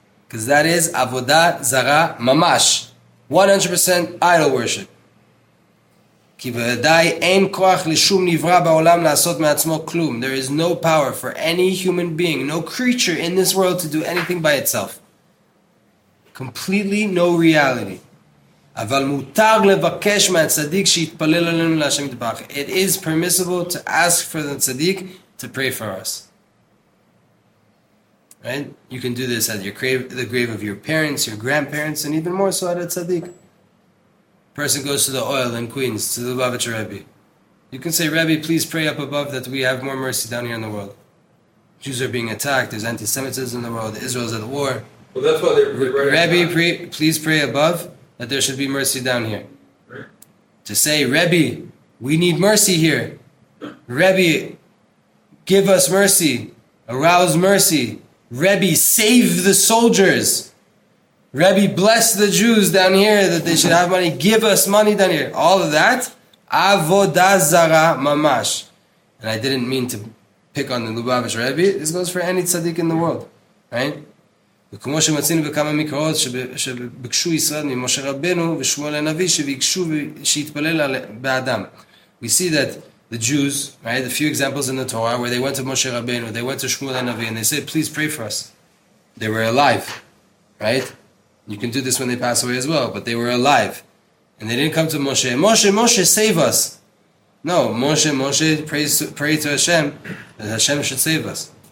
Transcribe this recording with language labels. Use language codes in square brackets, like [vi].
[en] Because that is avodah zara mamash. 100% idol worship. [he] Ki v'edai ein koach l'shum nivra ba'olam la'asot me'atzmo klum. [en] There is no power for any human being, no creature in this world to do anything by itself. Completely no reality. [he] אבל מותר לבקש מהצדיק שיתפלל עלינו להשם יתברך. [en] It is permissible to ask for the tzaddik to pray for us. Right? You can do this at your grave, the grave of your parents, your grandparents, and even more so at a tzaddik. Person goes to the oil in Queens, to the Lubavitcher Rebbe. You can say, Rebbe, please pray up above that we have more mercy down here in the world. Jews are being attacked, there's anti-Semitism in the world, Israel's at war. Well, that's why they're Rebbe, please pray above that there should be mercy down here. Right. To say, Rebbe, we need mercy here. Rebbe, give us mercy. Arouse mercy. Rebbe, save the soldiers. Rebbe, bless the Jews down here that they should have money. Give us money down here. All of that, avodah zarah mamash. And I didn't mean to pick on the Lubavitch Rebbe. This goes for any tzaddik in the world. Right? [he] וכמו שמצינו בכמה מקראות שבקשו ישראל ממשה רבנו ושמואל הנביא שביקשו שיתפלל באדם. [en] We see that the Jews, right, a few examples in the Torah where they went to Moshe Rabbeinu, they went to Shmuel HaNavi, and they said, please pray for us. They were alive, right? You can do this when they pass away as well, but they were alive. And they didn't come to Moshe, Moshe, Moshe, save us. No, Moshe, Moshe, pray to Hashem, that Hashem should save us.